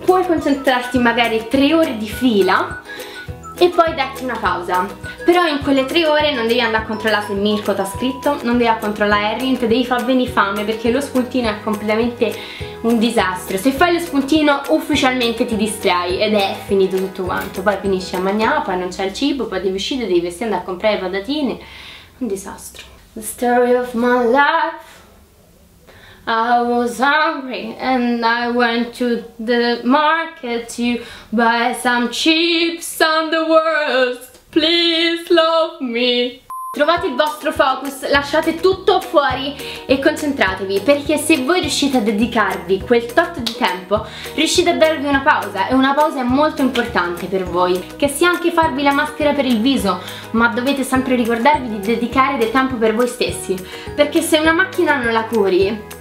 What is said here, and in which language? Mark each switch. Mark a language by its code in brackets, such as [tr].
[it] Puoi concentrarti magari 3 ore di fila e poi darti una pausa, però in quelle 3 ore non devi andare a controllare se Mirko ti ha scritto, non devi andare a controllare Harry, te devi far venire fame perché lo spuntino è completamente un disastro. Se fai lo spuntino ufficialmente ti distrai ed è finito tutto quanto, poi finisci a mangiare, poi non c'è il cibo, poi devi uscire, devi vestire, andare a comprare patatine, un disastro. [en] The story of my life, I was hungry and I went to the market to buy some chips on the worst, please love me. [it] Trovate il vostro focus, lasciate tutto fuori e concentratevi, perché se voi riuscite a dedicarvi quel tot di tempo, riuscite a darvi una pausa, e una pausa è molto importante per voi. Che sia anche farvi la maschera per il viso, ma dovete sempre ricordarvi di dedicare del tempo per voi stessi, perché se una macchina non la curi,